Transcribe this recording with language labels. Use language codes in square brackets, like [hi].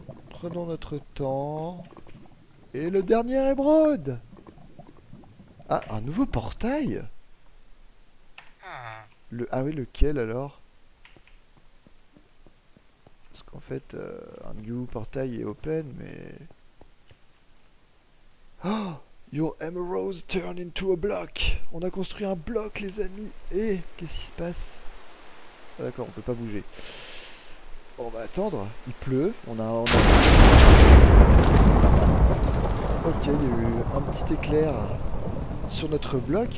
[fr] Prenons notre temps. Et le dernier émeraude! Ah, un nouveau portail! Ah oui, lequel alors? Parce qu'en fait, un new portail est open, mais... Oh! [en] Your emeralds turn into a block. [fr] On a construit un bloc, les amis. Et qu'est-ce qui se passe? Ah, d'accord, on peut pas bouger. Ça, c'est On va attendre. Il pleut. On a... Ok, il y a eu un petit éclair sur notre bloc.